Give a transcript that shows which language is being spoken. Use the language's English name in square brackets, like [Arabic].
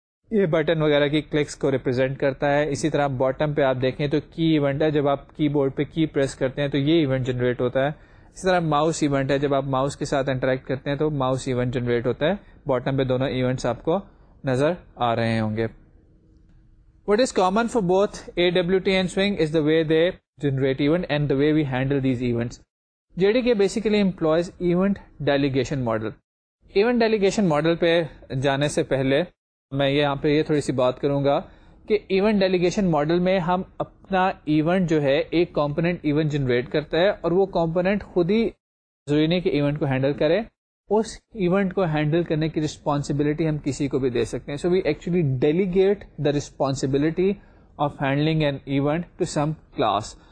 [Urdu] یہ بٹن وغیرہ کی کلکس کو ریپرزینٹ کرتا ہے. اسی طرح باٹم پہ آپ دیکھیں تو کی ایونٹ ہے, جب آپ کی بورڈ پہ کی پریس کرتے ہیں تو یہ ایونٹ جنریٹ ہوتا ہے. اسی طرح ماؤس ایونٹ ہے, جب آپ ماؤس کے ساتھ انٹریکٹ کرتے ہیں تو ماؤس ایونٹ جنریٹ ہوتا ہے. باٹم پہ دونوں ایونٹس آپ کو نظر آ رہے ہوں گے. [English] What is common for both AWT and Swing is the way they generate event and the way we handle these events. JDK basically employs event delegation model. [Urdu] Event delegation model پہ جانے سے پہلے میں یہاں پہ یہ تھوڑی سی بات کروں گا کہ ایونٹ ڈیلیگیشن ماڈل میں ہم اپنا ایونٹ جو ہے ایک کمپوننٹ ایونٹ جنریٹ کرتا ہے اور وہ کمپوننٹ خود ہی ضروری نہیں کہ ایونٹ کو ہینڈل کرے, اس ایونٹ کو ہینڈل کرنے کی رسپانسبلٹی ہم کسی کو بھی دے سکتے ہیں. سو we actually delegate the responsibility of handling an event to some class.